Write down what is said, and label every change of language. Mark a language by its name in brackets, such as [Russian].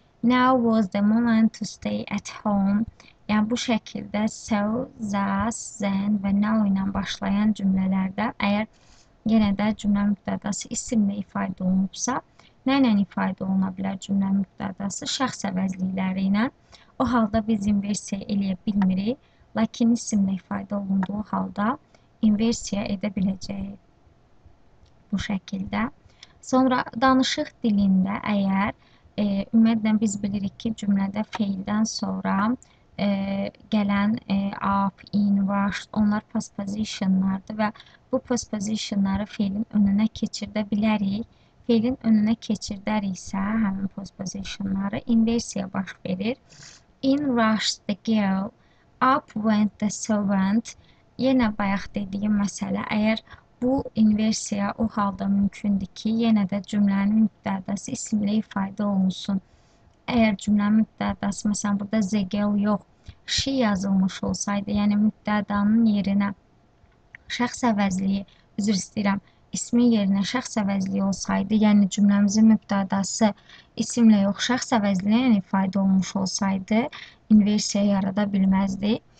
[English] Now was the moment to stay at home. [Azerbaijani] Yəni bu şəkildə so, thus, then və now ilə başlayan cümlələrdə əgər yenə də cümlə mübtədası isimlə ifadə olunubsa, nə ilə ifadə oluna bilər cümlə mübtədası? Şəxs əvəzlikləri ilə. O halda biz inversiya eləyə bilmirik, lakin isimlə ifadə olunduğu halda inversiya edə biləcəyik bu şəkildə. Sonra danışıq dilində əgər, ümumiyyətlə biz bilirik ki, cümlədə feildən sonra gələn up, in, was, onlar postpositionlardır və bu postpositionları feilin önünə keçirdə bilərik. Feilin önünə keçirdəriksə, həmin postpositionları inversiya baş verir. [English] In rushed the girl, up went the servant. [Azerbaijani] Yenə bayaq dediyim məsələ, əgər bu inversiya o halda mümkündür ki, yenə də cümlənin mübtədası isimlə ifadə olunsun. Əgər cümlənin mübtədası, məsələn, burada the girl yox, she yazılmış olsaydı, yəni mübtədanın yerinə şəxs əvəzliyi, üzr istəyirəm, ismin yerinə şəxs əvəzliyi olsaydı, yəni cümləmizin mübtədası isimlə yox, şəxs əvəzliyi yəni ifadə olmuş olsaydı, inversiya yarada bilməzdi.